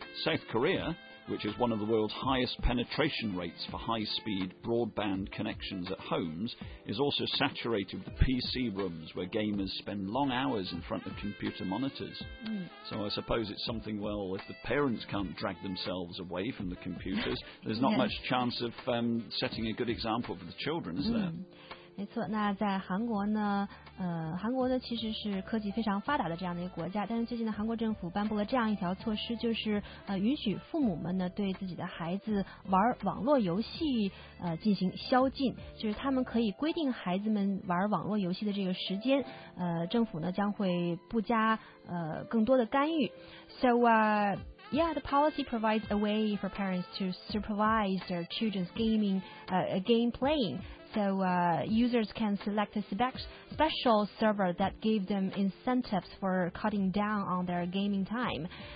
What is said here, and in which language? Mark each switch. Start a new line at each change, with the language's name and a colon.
English: South Korea, which is one of the world's highest penetration rates for high-speed broadband connections at homes, is also saturated with PC rooms where gamers spend long hours in front of computer monitors. So I suppose it's something, if the parents can't drag themselves away from the computers, there's not much chance of setting a good example for the children, is there?
Chinese: 没错，那在韩国呢？韩国呢其实是科技非常发达的这样的一个国家，但是最近呢，韩国政府颁布了这样一条措施，就是允许父母们呢对自己的孩子玩网络游戏进行宵禁，就是他们可以规定孩子们玩网络游戏的这个时间，政府呢将会不加更多的干预。
English: So, the policy provides a way for parents to supervise their children's gaming, game playing. So users can select a special server that gave them incentives for cutting down on their gaming time.